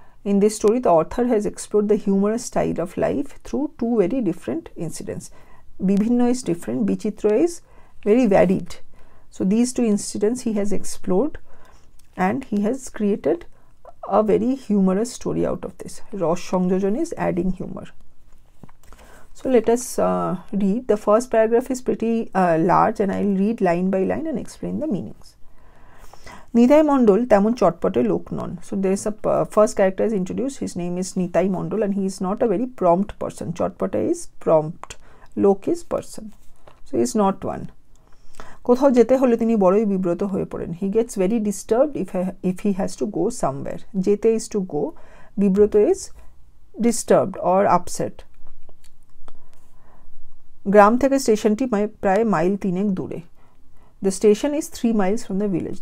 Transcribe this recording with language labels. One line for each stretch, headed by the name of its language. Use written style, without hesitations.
English: In this story the author has explore the humorous style of life through two very different incidents. বিভিন্ন is different, বিচিত্র is very varied. So this two incidents he has explored and he has created a very humorous story out of this. রস সংযোজন is adding humour. So let us read. The first paragraph is pretty large and I'll read line by line and explain the meanings. Nitai Mondol
Bangla: tamon chotpote lok non.
English: So there is a first character is introduced. His name is Nitai Mondol and he is not a very prompt person. Chotpote is prompt. Lok is person. So he is not one.
Bangla: কোথাও যেতে হলে তিনি বড়ই বিব্রত হয়ে পড়েন।
English: He gets very disturbed if he has to go somewhere. যেতে is to go, বিব্রত is disturbed or upset.
Bangla: গ্রাম থেকে স্টেশনটি প্রায় মাইল তিনেক দূরে।
English: The station is 3 miles from the village.